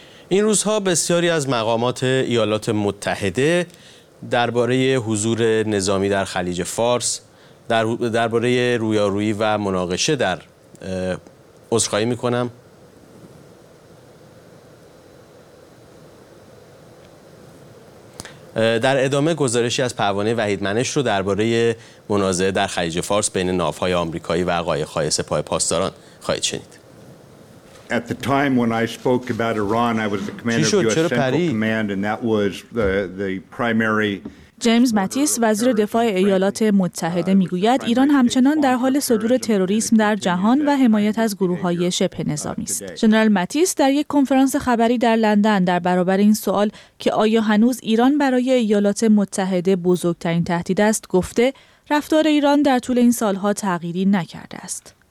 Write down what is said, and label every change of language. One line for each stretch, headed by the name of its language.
Persian: این روزها بسیاری از مقامات ایالات متحده درباره حضور نظامی در خلیج فارس، درباره رویارویی و مناقشه در عذرخواهی میکنم. در ادامه گزارشی از پروانه وحید منش رو درباره مناظره در خلیج فارس بین ناوهای آمریکایی و قایق‌های سپاه پاسداران خواهید شنید.
English: At the time when I spoke about Iran, I was the commander of U.S. Central Command, and that was the primary.
Persian: جیمز ماتیس وزیر دفاع ایالات متحده میگوید ایران همچنان در حال صدور تروریسم در جهان و حمایت از گروه‌های شبه نظامی است. ژنرال ماتیس در یک کنفرانس خبری در لندن در برابر این سوال که آیا هنوز ایران برای ایالات متحده بزرگترین تهدید است، گفته رفتار ایران در طول این سال‌ها تغییری نکرده است.